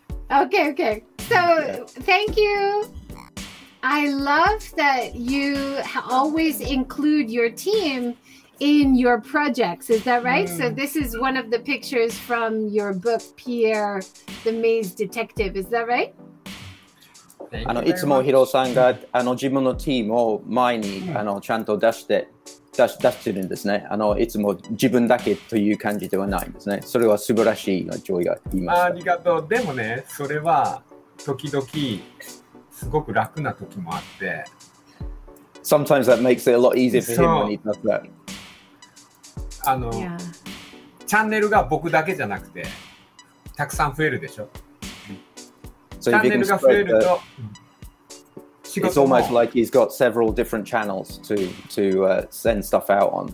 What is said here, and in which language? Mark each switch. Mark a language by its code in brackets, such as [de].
[en] Okay, okay. So, thank you. I love that you always include your team in your projects. Is that right? So this is one of the pictures from your book, Pierre the Maze Detective. Is that right? [ja] いつもヒロさんが自分のチームを前にちゃんと出してるんですね。いつも自分だけという感じではないんですね。それは素晴らしいジョイが言いました。ありがとう。でもね、それは時々すごく楽な時もあって。 [en] Sometimes that makes it a lot easier for him when he does that. [ja] チャンネルが僕だけじゃなくて、たくさん増えるでしょ。 [en] So if you can spread the, it's almost like he's got several different channels to send stuff out on.